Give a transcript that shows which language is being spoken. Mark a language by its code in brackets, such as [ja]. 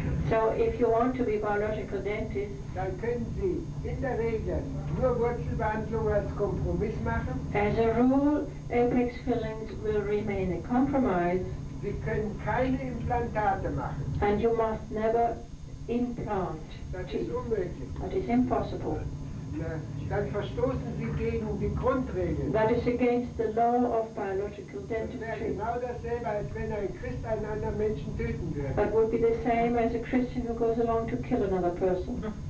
[en] So if you want to be biological dentist, [de] dann können Sie in der Regel nur Wurzelbehandlung als Kompromiss machen. [en] As a rule, apex fillings will remain a compromise. [de] Sie können keine Implantate machen. [en] And you must never implant. [de] Das ist unmöglich. [en] That is impossible. [de] Dann verstoßen Sie gegen die Grundregeln. [en] That is against the law of biological dentistry. [de] Das wäre genau dasselbe, als wenn ein Christ einen anderen Menschen töten würde. [en] That would be the same as a Christian who goes along to kill another person.